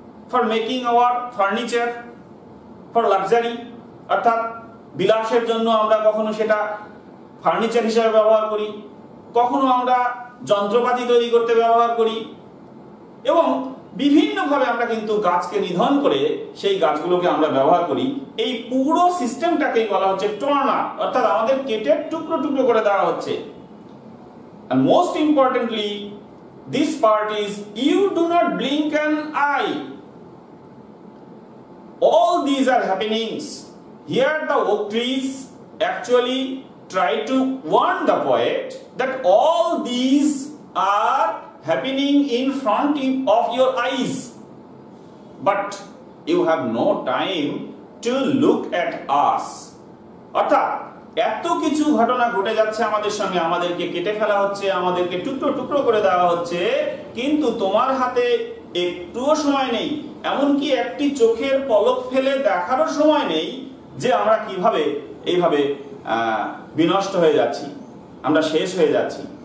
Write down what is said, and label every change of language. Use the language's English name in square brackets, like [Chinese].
[English] for making our furniture for luxury, [Bangla] অর্থাৎ বিলাসের জন্য আমরা কখনো সেটা ফার্নিচার হিসাবে ব্যবহার করি, কখনো আমরা যন্ত্রপাতি তৈরি করতে ব্যবহার করি, এবং বিভিন্নভাবে আমরা কিন্তু গাছকে নিধন করে সেই গাছগুলোকে আমরা ব্যবহার করি। এই পুরো সিস্টেমটাকেই বলা হচ্ছে [English] torn up, [Bangla] অর্থাৎ আমাদের কেটে টুকরো টুকরো করে দেওয়া হচ্ছে। [English] Most importantly, This part is, you do not blink an eye. All these are happenings. Here the oak trees actually try to warn the poet that all these are happening in front of your eyes. But you have no time to look at us. [Bangla] অর্থাৎ এত কিছু ঘটনা ঘটে যাচ্ছে আমাদের সঙ্গে, আমাদেরকে কেটে ফেলা হচ্ছে, আমাদেরকে টুকরো টুকরো করে দেওয়া হচ্ছে, কিন্তু তোমার হাতে একটুও সময় নেই, এমনকি একটি চোখের পলক ফেলে দেখারও সময় নেই যে আমরা কিভাবে এইভাবে বিনষ্ট হয়ে যাচ্ছি, আমরা শেষ হয়ে যাচ্ছি।